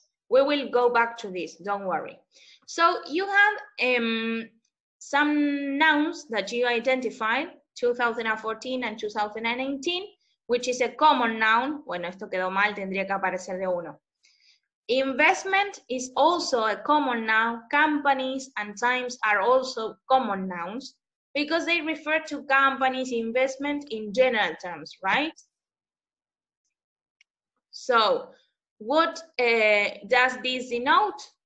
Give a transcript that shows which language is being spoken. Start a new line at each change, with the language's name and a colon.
English: We will go back to this, don't worry. So you have some nouns that you identified, 2014 and 2019, which is a common noun.
Spanish: Bueno, esto quedó mal, tendría que aparecer de uno.
English: Investment is also a common noun. Companies and times are also common nouns because they refer to companies investment in general terms, right? So, what does this denote?